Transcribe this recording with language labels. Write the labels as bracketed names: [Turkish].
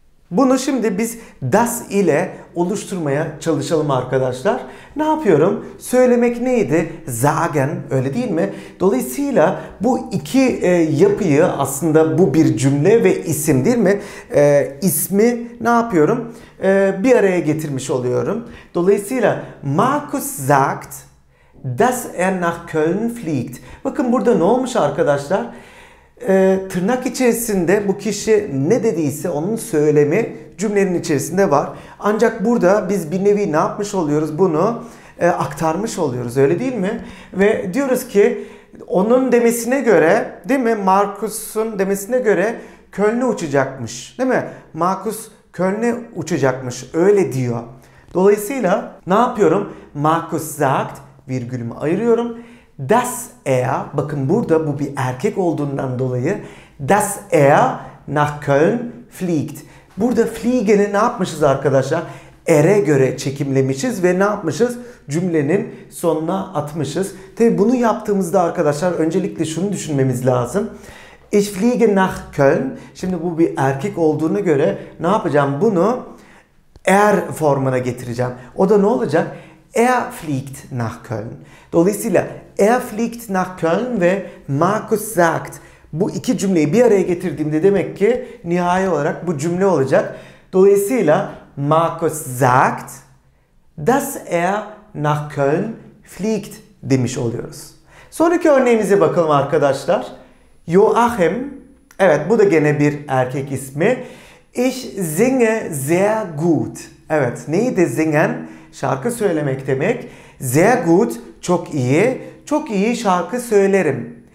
[Turkish] Bunu şimdi biz das ile oluşturmaya çalışalım arkadaşlar. Ne yapıyorum? Söylemek neydi? Sagen, öyle değil mi? Dolayısıyla bu iki yapıyı, aslında bu bir cümle ve isim değil mi? İsmi ne yapıyorum? Bir araya getirmiş oluyorum. [German] Dolayısıyla Markus sagt, dass nach Köln fliegt. [Turkish] Bakın burada ne olmuş arkadaşlar? Tırnak içerisinde bu kişi ne dediyse onun söylemi cümlenin içerisinde var. Ancak burada biz bir nevi ne yapmış oluyoruz? Bunu aktarmış oluyoruz, öyle değil mi? Ve diyoruz ki onun demesine göre, değil mi? Markus'un demesine göre Köln'e uçacakmış, değil mi? Markus Köln'e uçacakmış, öyle diyor. Dolayısıyla ne yapıyorum? [German] Markus sagt, [Turkish] virgülümü ayırıyorum. Das er, bakın burada bu bir erkek olduğundan dolayı [German] das er nach Köln fliegt. [Turkish] Burada fliegen'i ne yapmışız arkadaşlar? Er'e göre çekimlemişiz ve ne yapmışız? Cümlenin sonuna atmışız. Tabii bunu yaptığımızda arkadaşlar öncelikle şunu düşünmemiz lazım. [German] Ich fliege nach Köln. [Turkish] Şimdi bu bir erkek olduğuna göre ne yapacağım? Bunu er formuna getireceğim. O da ne olacak? [German] Er fliegt nach Köln. Dolayısıyla er fliegt nach Köln ve Markus sagt. [Turkish] Bu iki cümleyi bir araya getirdiğimde demek ki nihai olarak bu cümle olacak. [German] Dolayısıyla Markus sagt, dass nach Köln fliegt [Turkish] demiş oluyoruz. Sonraki örneğimize bakalım arkadaşlar. Joachim, evet bu da gene bir erkek ismi. [German] Ich singe sehr gut. [Turkish] Evet, neydi [German] singen? [Turkish] Şarkı söylemek demek. [German] Sehr gut, [Turkish] çok iyi. Çok iyi şarkı söylerim.